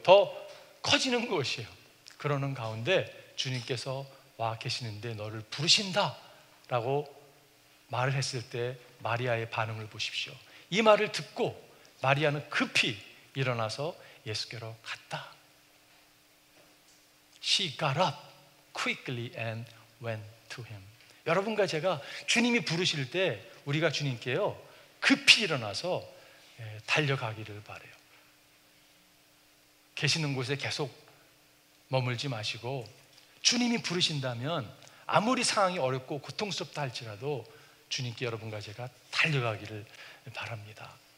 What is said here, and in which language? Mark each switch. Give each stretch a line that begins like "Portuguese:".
Korean: 더 커지는 것이에요. 그러는 가운데 주님께서 와 계시는데 너를 부르신다 라고 말을 했을 때 마리아의 반응을 보십시오. 이 말을 듣고 마리아는 급히 일어나서 예수께로 갔다.
English: She got up quickly and went to him.
Korean: 여러분과 제가 주님이 부르실 때 우리가 주님께요 급히 일어나서 달려가기를 바라요. 계시는 곳에 계속 머물지 마시고 주님이 부르신다면 아무리 상황이 어렵고 고통스럽다 할지라도 주님께 여러분과 제가 달려가기를 바랍니다.